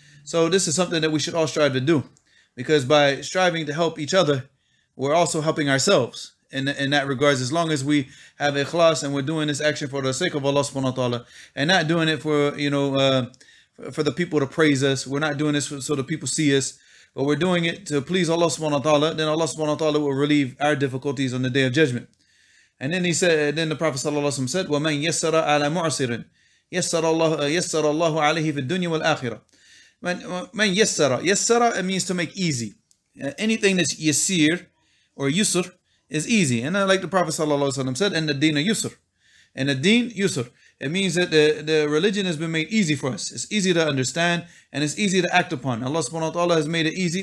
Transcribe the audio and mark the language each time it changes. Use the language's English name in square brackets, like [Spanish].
[English] So this is something that we should all strive to do, because by striving to help each other, we're also helping ourselves in that regards, as long as we have ikhlas and we're doing this action for the sake of Allah subhanahu wa ta'ala, and not doing it for the people to praise us. We're not doing this so the people see us, but we're doing it to please Allah subhanahu wa ta'ala. Then Allah subhanahu wa ta'ala will relieve our difficulties on the day of judgment. And then the Prophet sallallahu alaihi wasallam said, [Arabic] "وَمَنْ يَسَّرَ عَلَى مُعْسِرٍ يَسَّرَ اللَّهُ عَلَيْهِ فِي الدُّنْيَا وَالْآخِرَةِ." مَنْ يَسَّرَ, يَسَّرَ, [English] it means to make easy. Anything that's yasir or yusr is easy. And like the Prophet sallallahu alaihi wasallam said, "And the deen yusr." And the deen yusr, it means that the religion has been made easy for us. It's easy to understand and it's easy to act upon. Allah subhanahu wa ta'ala has made it easy.